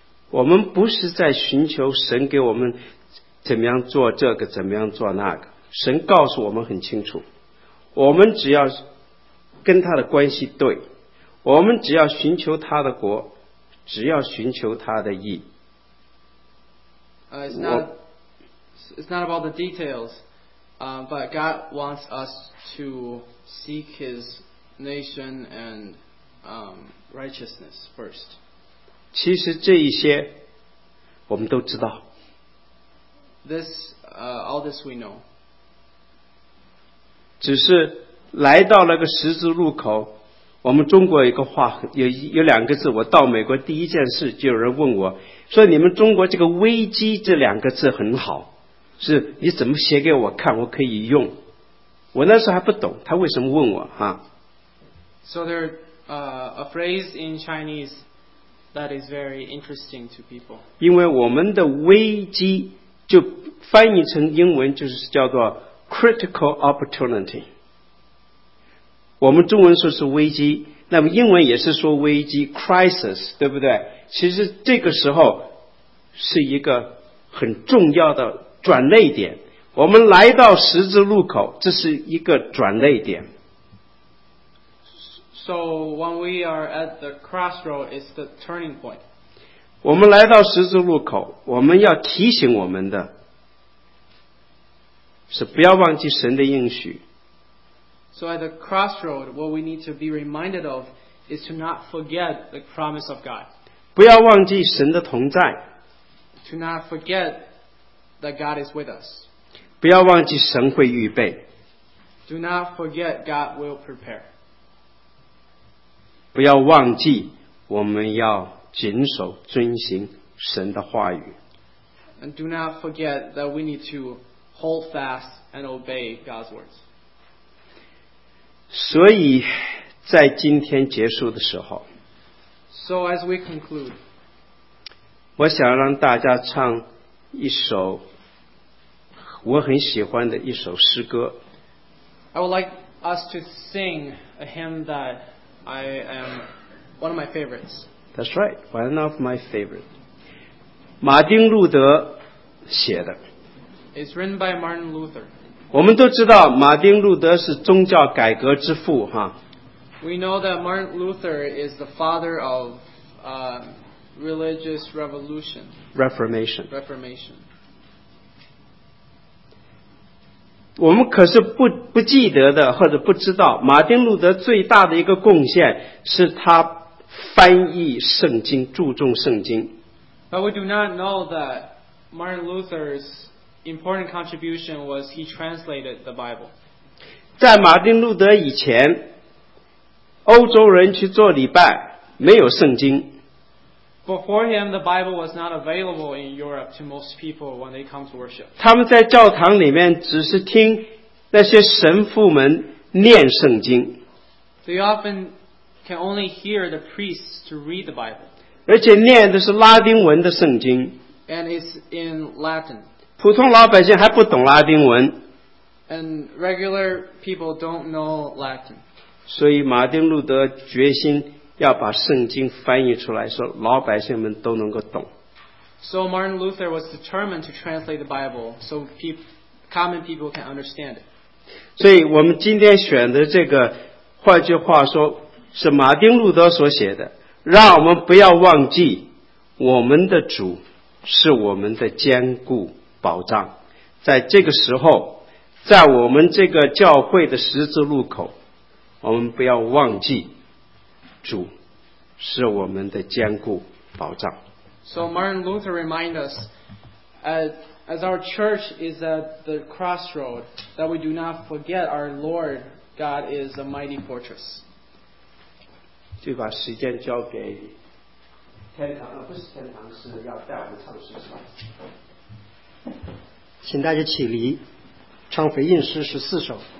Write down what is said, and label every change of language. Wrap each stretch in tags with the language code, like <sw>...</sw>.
<zh>我们不是在寻求神给我们怎么样做这个，怎么样做那个。神告诉我们很清楚，我们只要跟他的关系对，我们只要寻求他的国，只要寻求他的义。</zh> <en>It's not about the details, but God wants us to seek His nation and righteousness first.</en> <zh>其实这一些我们都知道。</zh> <en>All this we know.</en> <zh>只是来到那个十字路口，我们中国有一个话，有两个字。我到美国第一件事就有人问我说，你们中国这个危机这两个字很好，是你怎么写给我看我可以用。我那时候还不懂他为什么问我哈。</zh> <en>So there's a phrase in Chinese that is very interesting to people.</en> <zh>因为我们的危机就翻译成英文就是叫做</zh> <en>critical opportunity。</en> <zh>我们中文说是危机，那么英文也是说危机 crisis， 对不对？其实这个时候是一个很重要的转捩点，我们来到十字路口，这是一个转捩点。</zh> <en>So when we are at the crossroad, it's the turning point.</en> <zh>我们来到十字路口，我们要提醒我们的是不要忘记神的应许。</zh> <en>So at the crossroad, what we need to be reminded of is to not forget the promise of God.</en> <zh>不要忘记神的同在。</zh> <en>To not forget that God is with us.</en> <zh>不要忘记神会预备。</zh> <en>Do not forget God will prepare.</en> <zh>不要忘记我们要谨守遵行神的话语。</zh> <en>And do not forget that we need to hold fast and obey God's words.</en> <zh>所以在今天结束的时候，</zh> <en>So as we conclude,</en> <zh>我想让大家唱一首我很喜欢的一首诗歌。</zh> <en>I would like us to sing a hymn that I am one of my favorites. That's right, one of my favorites.</en> <zh>马丁路德写的。</zh> <en>It's written by Martin Luther.</en> <zh>我们都知道马丁路德是宗教改革之父哈。</zh> <en>We know that Martin Luther is the father of religious revolution. Reformation. Reformation.</en> <zh>我们可是不记得的或者不知道，马丁路德最大的一个贡献是他翻译圣经，注重圣经。</zh> <en>But we do not know that Martin Luther'simportant contribution was he translated the Bible.</en> <zh>在马丁路德以前，欧洲人去做礼拜没有圣经。</zh> <en>Before him, the Bible was not available in Europe to most people when they come to worship.</en> <zh>他们在教堂里面只是听那些神父们念圣经。</zh> <en>They often can only hear the priests to read the Bible.</en> <zh>而且念的是拉丁文的圣经。</zh> <en>And it's in Latin.</en> <zh>普通老百姓还不懂拉丁文。</zh> <en>And regular people don't know Latin.</en> <zh>所以马丁路德决心要把圣经翻译出来，说老百姓们都能够懂。</zh> <en>So Martin Luther was determined to translate the Bible so common people can understand it.</en> <zh>所以我们今天选的这个，换句话说，是马丁路德所写的。让我们不要忘记，我们的主是我们的坚固保障。在这个时候，在我们这个教会的十字路口，我们不要忘记。主是我们的坚固保障。</zh> <en>So Martin Luther reminds us, as our church is at the crossroad, that we do not forget our Lord God is a mighty fortress.</en> <zh>就把时间交给天堂，不是天堂，是要带我们唱诗是吧？请大家起立，唱腓印诗十四首。</zh>